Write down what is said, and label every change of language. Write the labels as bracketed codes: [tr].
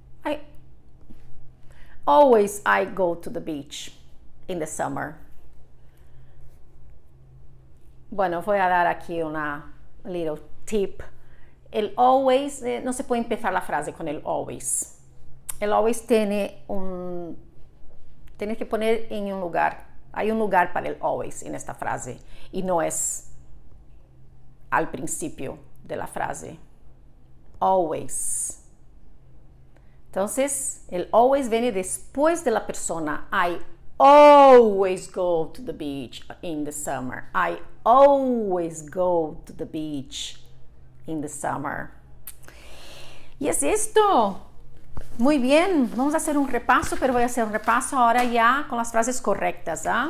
[en] I go to the beach in the summer. [es] Bueno, voy a dar aquí una [en] little tip. [es] El always, no se puede empezar la frase con el always. El always tiene un... Tienes que poner en un lugar. Hay un lugar para el always en esta frase. Y no es al principio de la frase. Always. Entonces, el always viene después de la persona. I [en] always go to the beach in the summer. I always go to the beach in the summer. [es] Y es esto. Muy bien. Vamos a hacer un repaso, pero voy a hacer un repaso ahora ya con las frases correctas.